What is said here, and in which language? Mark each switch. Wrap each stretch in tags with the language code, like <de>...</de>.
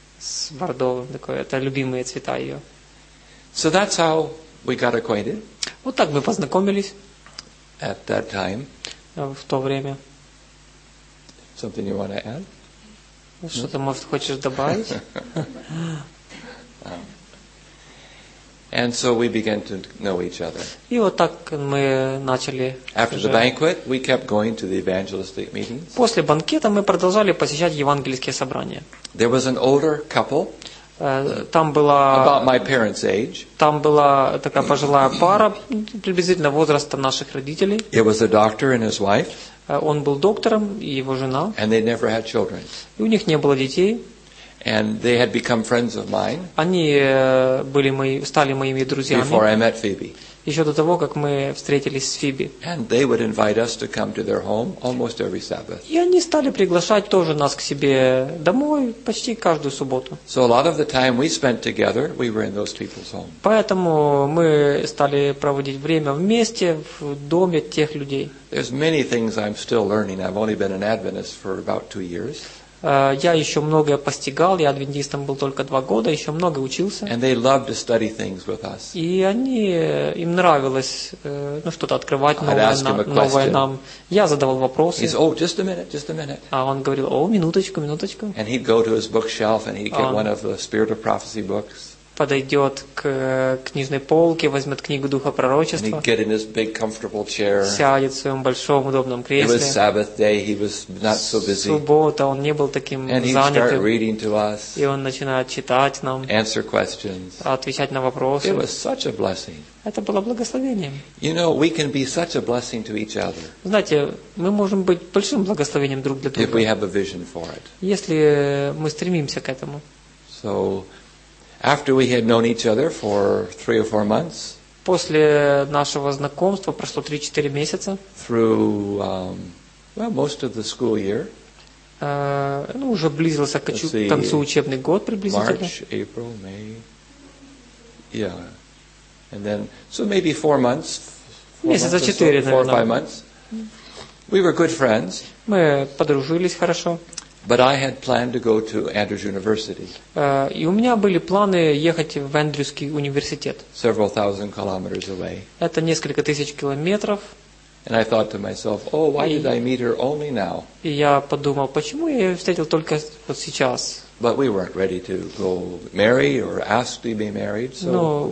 <ru>С бордовым такой. Это любимые цвета ее.</ru> <en>So that's how we got acquainted.</en> <ru>Вот так мы познакомились.</ru> <en>At that time.</en> <ru>В то время.</ru> <en>Something you want to add?</en> <ru>Что-то, может, хочешь добавить?</ru> <en>And so we began to know each other.</en> <ru>И вот так мы начали.</ru> <en>After the banquet, we kept going to the evangelistic meetings.</en> <ru>После банкета мы продолжали посещать евангельские собрания.</ru> <en>There was an older couple.</en> <ru>Там была,</ru> <en>about my parents' age.</en> <ru>Там была такая пожилая пара, приблизительно возраста наших родителей.</ru> <en>It was a doctor and his wife.</en> <ru>Он был доктором и его жена.</ru> <en>And they never had children.</en> <ru>И у них не было детей.</ru> <en>And they had become friends of mine.</en> <ru>Они были стали моими друзьями.</ru> <en>Before I met Phoebe.</en> <ru>Еще до того, как мы встретились с Фиби.</ru> <en>And they would invite us to come to their home almost every Sabbath.</en> <ru>И они стали приглашать тоже нас к себе домой почти каждую субботу.</ru> <en>So a lot of the time we spent together, we were in those people's homes.</en> <ru>Поэтому мы стали проводить время вместе в доме тех людей.</ru> <en>There's many things I'm still learning. I've only been an Adventist for about 2 years.</en> <ru>Я еще многое постигал, я адвентистом был только 2 года, еще много учился.</ru> <en>And they loved to study things with us.</en> <ru>И они, им нравилось ну, что-то открывать новое, новое нам. Я задавал вопросы.</ru> <en>He's, oh, just a minute, just a minute.</en> <ru>А он говорил, о, минуточку, минуточку.</ru> <en>And he'd go to his bookshelf and he'd get one of the Spirit of Prophecy books.</en> <ru>Подойдет к книжной полке, возьмет книгу Духа Пророчества,</ru> <en>and he'd get in his big comfortable chair.</en> <ru>Сядет в своем большом удобном кресле.</ru> <en>It was Sabbath day, he was not so busy.</en> <ru>Суббота, он не был таким</ru> <en>and</en> <ru>занятым.</ru> <en>He'd start reading to us,</en> <ru>и он начинает читать нам,</ru> <en>answer questions.</en> <ru>Отвечать на вопросы.</ru> <en>It was such a blessing.</en> <ru>Это было благословением.</ru> <en>You know, we can be such a blessing to each other.</en> <ru>Знаете, мы можем быть большим благословением друг для друга.</ru> <en>If we have a vision for it.</en> <ru>Если мы стремимся к этому.</ru> <en>So, after we had known each other for 3 or 4 months,</en> <ru>после нашего знакомства прошло 3-4 месяца.</ru> <en>Through most of the school year.</en> <ru>Ну уже близился к концу учебный год приблизительно.</ru> <en>March, April, May. Yeah, and then so maybe 4 months.</en> <ru>Месяца 4, наверное.</ru> <en>4 or 5 months. We were good friends.</en> <ru>Мы подружились хорошо.</ru> <en>But I had planned to go to Andrews University.</en> <ru>И у меня были планы ехать в Эндрюский университет.</ru> <en>Several thousand kilometers away.</en> <ru>Это несколько тысяч километров.</ru> <en>And I thought to myself, oh, why did I meet her only now?</en> <ru>И я подумал, почему я ее встретил только вот сейчас?</ru> <en>But we weren't ready to go marry or ask to be married. So.</en>